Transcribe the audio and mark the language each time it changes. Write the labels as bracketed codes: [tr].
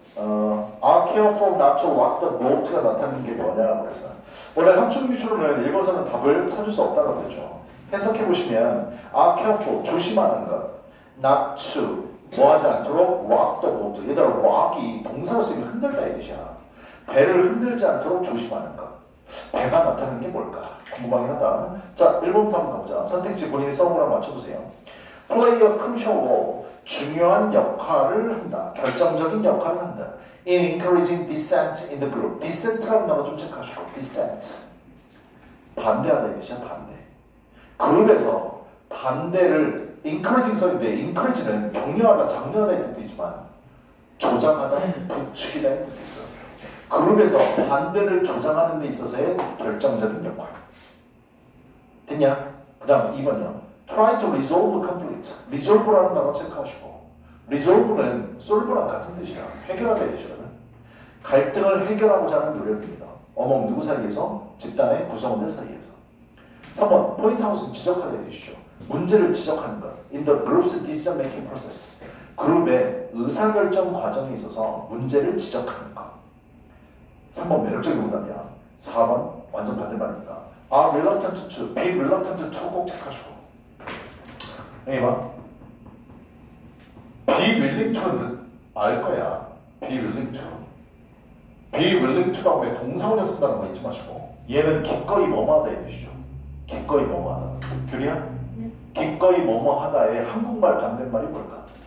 [en] Are careful not to rock the boat가 [ko] 나타나는 게 뭐냐고 했어. 원래 함축은 미추론은 읽어서는 답을 찾을 수 없다고 했죠. 해석해 보시면 [en] Are careful, [ko] 조심하는 것. [en] Not to, [ko] 뭐하지 않도록 [en] rock the boat. [ko] 얘들아, rock이 동사로 쓰이면 흔들다 이 뜻이야. 배를 흔들지 않도록 조심하는 것. 배가 나타나는 게 뭘까? 궁금하긴 하다. 자, 1번부터 한번 가보자. 선택지 본인의 성우랑 맞춰보세요. [en] Play a crucial role. [ko] 중요한 역할을 한다. 결정적인 역할을 한다. [en] In encouraging dissent in the group. [ko] Dissent라는 단어 좀 체크하시고. Dissent. 반대하다 이거죠. 반대. 그룹에서 반대를 encouraging 써있는데 encourage는 격려하다, 장려하다 이런 뜻이지만 조장하다, 부추기다 이런 뜻도 있어요. 그룹에서 반대를 조장하는 데 있어서의 결정적인 역할. 됐냐? 그 다음 2번이요. [en] Try to resolve conflict. [ko] Resolve라는 단어 체크하시고. Resolve는 solve랑 같은 뜻이야. 해결하다 이죠. 갈등을 해결하고자 하는 노력입니다. Among 누구 사이에서? 집단의 구성원들 사이에서. 3번. Point out은 지적하다 이죠. 문제를 지적하는 것. [en] In the group's decision making process. [ko] 그룹의 의사결정 과정에 있어서 문제를 지적하는 것. 3번 매력적인 문답이야. 4번 완전 반대말입니다. [en] Are reluctant to, be reluctant to [ko] 꼭 체크하시고. 여기 봐. [en] Be willing to는 [ko] 알 거야. [en] Be willing to. [ko] Be willing to라고 왜 동사원형 쓴다는 거 잊지 마시고. 얘는 기꺼이 뭐뭐하다 해주시죠. 기꺼이 뭐뭐하다. 규리야? 네. 기꺼이 뭐뭐하다의 한국말 반대말이 뭘까?